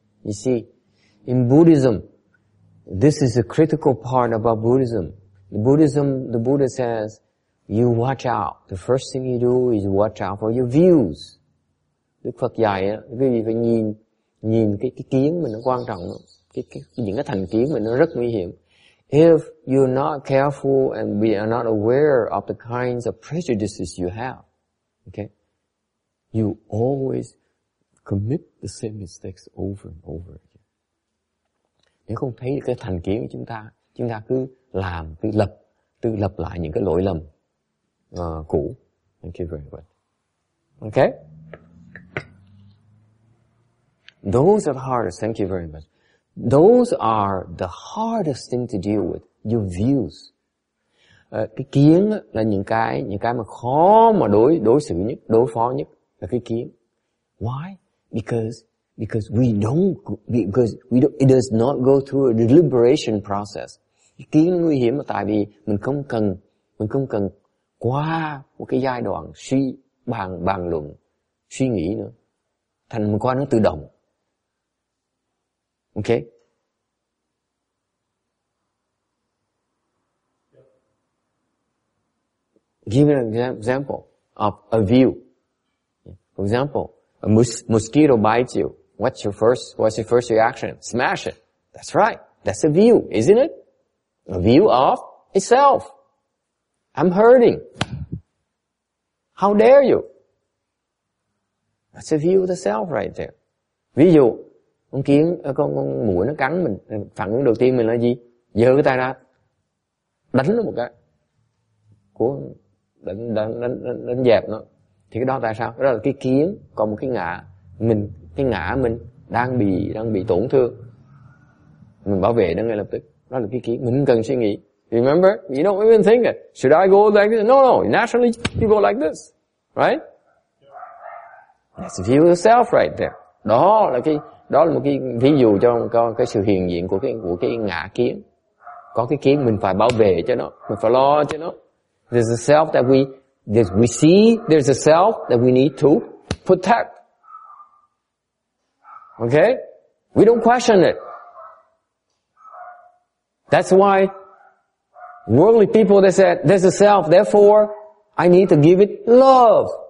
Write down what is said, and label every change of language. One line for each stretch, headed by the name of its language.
English: You see, in Buddhism, this is a critical part about Buddhism. The Buddha says, you watch out. The first thing you do is watch out for your views.
Vietnamese: Đức Phật dạy á, quý vị phải nhìn cái kiến mình nó quan trọng lắm. Những cái thành kiến mình nó rất nguy hiểm.
English: If you're not careful and we are not aware of the kinds of prejudices you have, okay, you always commit the same mistakes over and over again.
Vietnamese: Nếu không thấy cái thành kiến của chúng ta cứ làm, cứ lập lại những cái lỗi lầm cũ.
English: Thank you very much. Okay? Those are the hardest. Thank you very much. Those are the hardest thing to deal with. Your views.
Vietnamese: Cái kiến là những cái mà khó mà đối xử nhất, đối phó nhất là cái kiến.
English: Why? Because it does not go through a deliberation process.
Vietnamese: Cái kiến nguy hiểm là tại vì mình không cần qua một cái giai đoạn suy bàn luận, suy nghĩ nữa. Thành mình qua nó tự động.
English: Okay? Give an example of a view. For example, a mosquito bites you. What's your first reaction? Smash it. That's right. That's a view, isn't it? A view of itself. I'm hurting. How dare you? That's a view of the self right there.
Vietnamese: Ví dụ, con muỗi nó cắn mình, phản ứng đầu tiên mình là gì? Giơ cái tay ra, đánh nó một cái. Đánh dẹp nó. Thì cái đó tại sao? Đó là cái kiến, còn một cái ngã. mình, cái ngã mình đang bị tổn thương, mình bảo vệ nó ngay lập tức. Đó là cái kiến, mình cần suy nghĩ.
English: Remember, you don't even think it. Should I go like this? No, no, naturally you go like this. Right? That's the view of self right there.
Vietnamese: Đó là cái, đó là một cái ví dụ cho cái sự hiện diện của cái ngã kiến. Có cái kiến mình phải bảo vệ cho nó, mình phải lo cho nó.
English: There's a self that we see, there's a self that we need to protect. Okay? We don't question it. That's why worldly people, they said, there's a self, therefore I need to give it love.